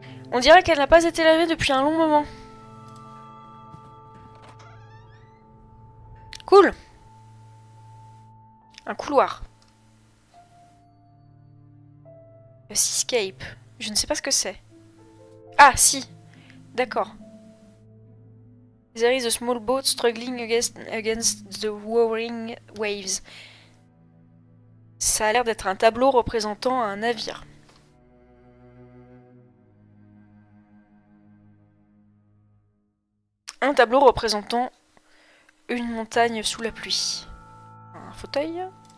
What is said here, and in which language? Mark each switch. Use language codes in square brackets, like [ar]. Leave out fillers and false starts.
[fr] On dirait qu'elle n'a pas été lavée depuis un long moment. Cool! Un couloir. Escape. Je ne sais pas ce que c'est. Ah, si! D'accord. [en] There is a small boat struggling against the roaring waves. [fr] Ça a l'air d'être un tableau représentant un navire. Un tableau représentant une montagne sous la pluie. Un fauteuil.